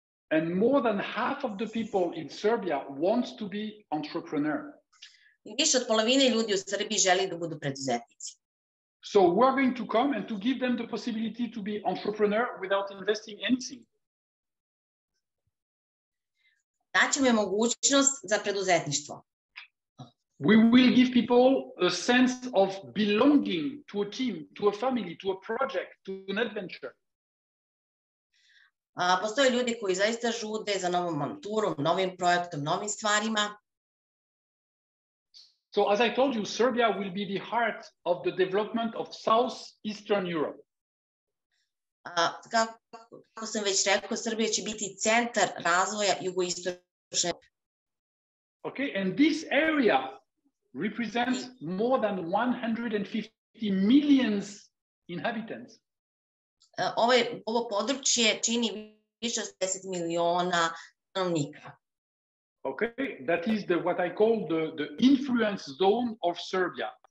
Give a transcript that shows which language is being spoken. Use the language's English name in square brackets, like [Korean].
[English] And more than half of the people in Serbia wants to be entrepreneur. [Serbian] I više od polovine ljudi u Srbiji želi da budu preduzetnici. [English] So we're going to come and to give them the possibility to be entrepreneur without investing anything. [Serbian] Daćemo mogućnost za preduzetništvo. [English] We will give people a sense of belonging to a team, to a family, to a project, to an adventure. [Serbian] Postoje ljudi koji zaista žude za novom avanturom, novim projektom, novim stvarima. [English] So as I told you, Serbia will be the heart of the development of southeastern Europe. [Serbian] Kako sam već rekao, Srbija će biti centar razvoja jugoistočne. [English] Okay, and this area represents more than 150 million inhabitants. [Serbian] Ovo područje čini više od 10 miliona stanovnika. [English] Okay, that is what I call the influence zone of Serbia.